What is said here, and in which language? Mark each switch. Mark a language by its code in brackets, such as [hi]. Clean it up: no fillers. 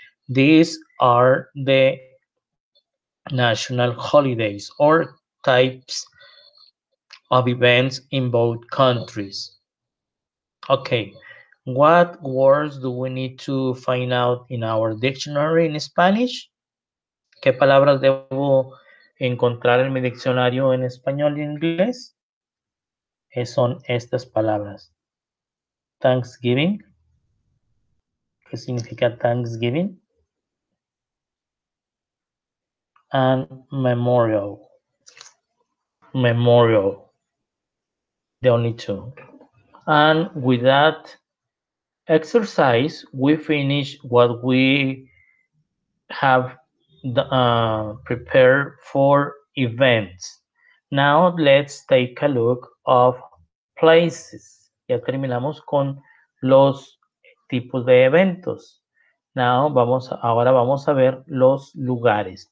[en] These are the national holidays or types of events in both countries. Okay, what words do we need to find out in our dictionary in Spanish? [es] ¿Qué palabras debo encontrar en mi diccionario en español y en inglés? Son estas palabras. Thanksgiving. ¿Qué significa Thanksgiving? [en] And Memorial. Memorial. The only two. And with that exercise, we finish what we have prepared for events. Now let's take a look of places. [es] Ya terminamos con los tipos de eventos. Now vamos, ahora vamos a ver los lugares.